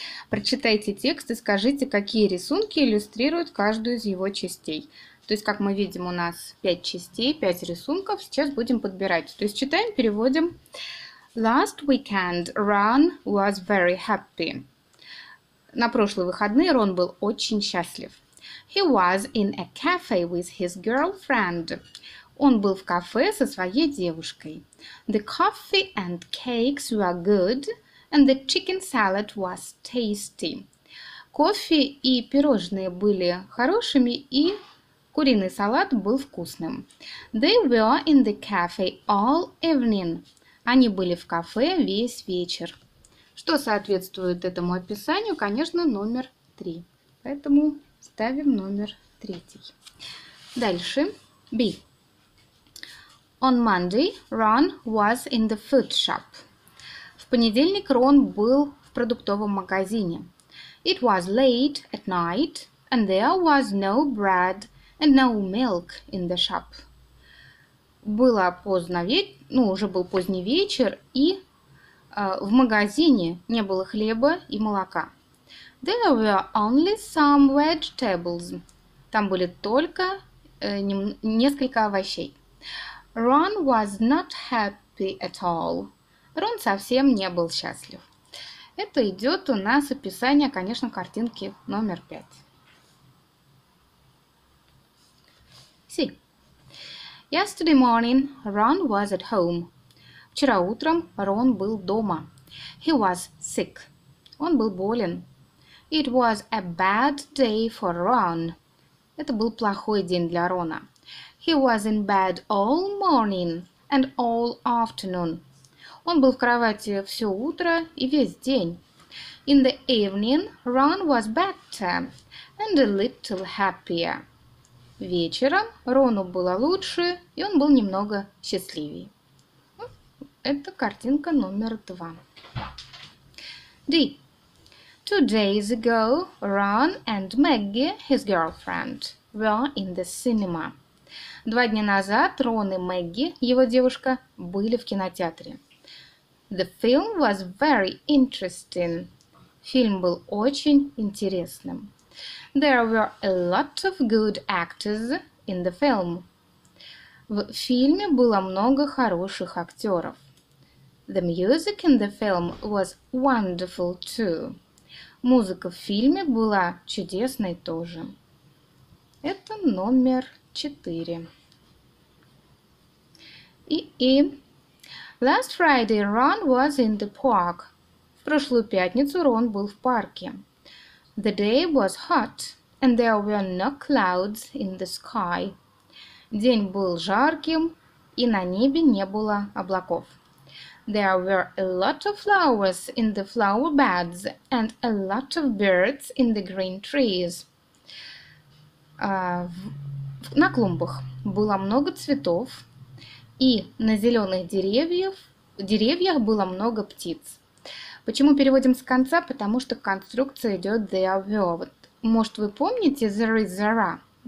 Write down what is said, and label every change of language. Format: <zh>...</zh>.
<ru>Прочитайте текст и скажите, какие рисунки иллюстрируют каждую из его частей. То есть, как мы видим, у нас 5 частей, 5 рисунков. Сейчас будем подбирать. То есть, читаем, переводим.</ru> <en>Last weekend Ron was very happy.</en> <ru>На прошлые выходные Рон был очень счастлив.</ru> <en>He was in a cafe with his girlfriend.</en> <ru>Он был в кафе со своей девушкой.</ru> <en>The coffee and cakes were good, and the chicken salad was tasty.</en> <ru>Кофе и пирожные были хорошими, и куриный салат был вкусным.</ru> <en>They were in the cafe all evening.</en> <ru>Они были в кафе весь вечер. Что соответствует этому описанию? Конечно, номер 3. Поэтому ставим номер 3. Дальше. B.</ru> <en>On Monday, Ron was in the food shop.</en> <ru>В понедельник Рон был в продуктовом магазине.</ru> <en>It was late at night, and there was no bread and no milk in the shop.</en> <ru>Было поздно вечер, ну, уже был поздний вечер, и в магазине не было хлеба и молока.</ru> <en>There were only some vegetables.</en> <ru>Там были только несколько овощей.</ru> <en>Ron was not happy at all.</en> <ru>Рон совсем не был счастлив. Это идет у нас описание, конечно, картинки номер 5.</ru> <en>Си. Yesterday morning Ron was at home.</en> <ru>Вчера утром Рон был дома.</ru> <en>He was sick.</en> <ru>Он был болен.</ru> <en>It was a bad day for Ron.</en> <ru>Это был плохой день для Рона.</ru> <en>He was in bed all morning and all afternoon.</en> <ru>Он был в кровати все утро и весь день.</ru> <en>In the evening, Ron was better and a little happier.</en> <ru>Вечером Рону было лучше, и он был немного счастливее. Это картинка номер 2. D.</ru> <en>2 days ago, Ron and Maggie, his girlfriend, were in the cinema.</en> <ru>2 дня назад Рон и Мэгги, его девушка, были в кинотеатре.</ru> <en>The film was very interesting.</en> <ru>Фильм был очень интересным.</ru> <en>There were a lot of good actors in the film.</en> <ru>В фильме было много хороших актеров.</ru> <en>The music in the film was wonderful too.</en> <ru>Музыка в фильме была чудесной тоже. Это номер 4.</ru> <en>И last Friday Ron was in the park.</en> <ru>В прошлую пятницу Рон был в парке.</ru> <en>The day was hot and there were no clouds in the sky.</en> <ru>День был жарким и на небе не было облаков.</ru> <en>There were a lot of flowers in the flower beds and a lot of birds in the green trees.</en> <ru>На клумбах было много цветов. И на зеленых деревьях было много птиц. Почему переводим с конца? Потому что конструкция идет</ru> <en>there were.</en> <ru>Вот, может, вы помните</ru> <en>there is there.</en>